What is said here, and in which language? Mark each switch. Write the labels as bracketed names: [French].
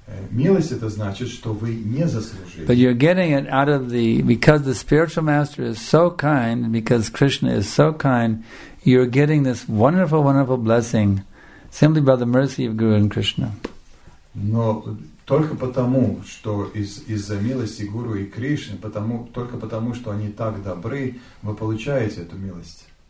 [Russian] Милость это значит, что вы не заслужили. [English] But you're getting it out of the because the spiritual master is so kind, because Krishna is so kind, you're getting this wonderful, wonderful blessing simply by the mercy of Guru and Krishna. [Russian] Но только потому, что из-за милости Гуру и Кришны, только потому, что они так добры, вы получаете эту милость.